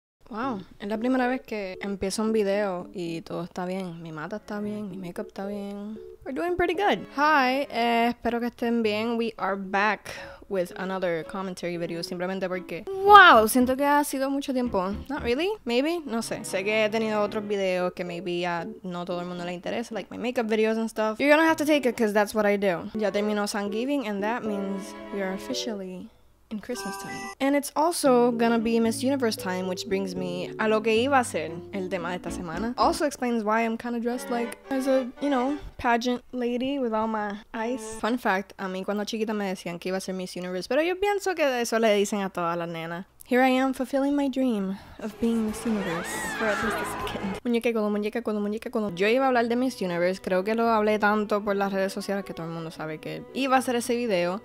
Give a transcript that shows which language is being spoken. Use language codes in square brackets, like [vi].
[es] Wow, es la primera vez que empiezo un video y todo está bien. Mi mata está bien, mi makeup está bien. [en] We're doing pretty good. Hi, [es] espero que estén bien. [en] We are back with another commentary video, [es] simplemente porque. Wow, siento que ha sido mucho tiempo. [en] Not really, maybe, [es] no sé. Sé que he tenido otros videos que maybe no todo el mundo le interesa, [en] like my makeup videos and stuff. You're gonna have to take it because that's what I do. [es] Ya terminó [en] Thanksgiving and that means we are officially in Christmas time. And it's also gonna be Miss Universe time, which brings me [es] a lo que iba a ser el tema de esta semana. [en] Also explains why I'm kind of dressed like as a, you know, pageant lady with all my ice. Fun fact, [es] a mí cuando chiquita me decían que iba a ser Miss Universe, pero yo pienso que eso le dicen a todas las nenas. [en] Here I am fulfilling my dream of being Miss Universe for at least a second. [es] Muñeca colo, muñeca colo, muñeca colo. Yo iba a hablar de Miss Universe, creo que lo hablé tanto por las redes sociales que todo el mundo sabe que iba a hacer ese video.